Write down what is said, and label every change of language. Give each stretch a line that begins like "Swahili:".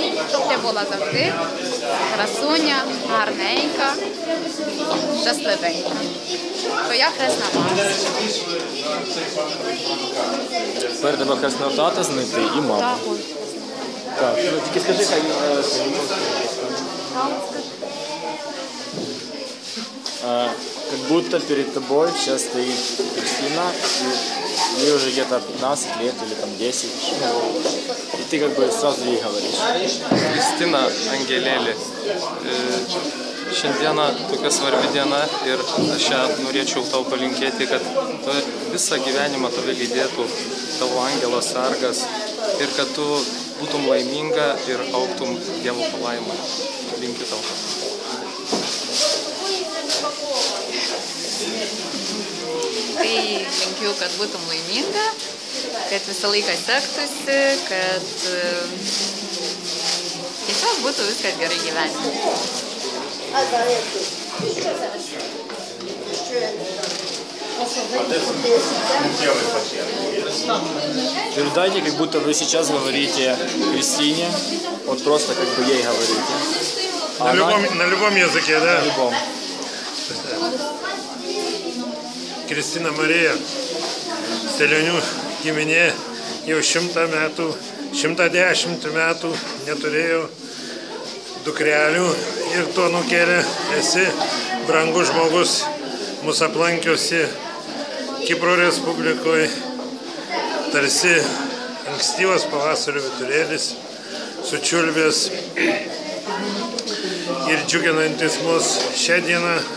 Ukrainian: Щоб ти була завжди красуня, гарненька, щасливенька. Твоя хресна мати. Тепер треба хресного тата знайти і маму. Так, так. Ну, тільки скажи, хай
Russian: не как будто перед тобой сейчас стоит Кристина, и ей уже где-то 15 лет или там 10. И ты как бы сразу ей говоришь. Кристина Ангелели.
Lithuanian: Šiandieną tokia svarbi diena ir aš ją norėčiau tau palinkėti, kad tu visą gyvenimą tave lydėtų tavo angelas sargas ir kad tu būtum laiminga ir augtum Dievo palaimą. Linkiu tau. Tai linkiu, kad būtum laiminga, kad visą laiką sektųsi, kad tiesiog būtų viskas gerai gyvenime.
Russian: Передайте, как будто вы сейчас говорите Кристине, вот просто как бы ей говорите. На любом языке, да? На любом. Кристина Мария, Селеню имени, и в чем-то мяту, чем-то дящим-то мяту не турею.
Lithuanian: Dukrelių ir tu anūkėlė esi brangus žmogus, mūsų aplankiusi Kipro Respublikoje, tarsi ankstyvas pavasario viturėlis, sučiulbės ir džiuginantis mus šią dieną.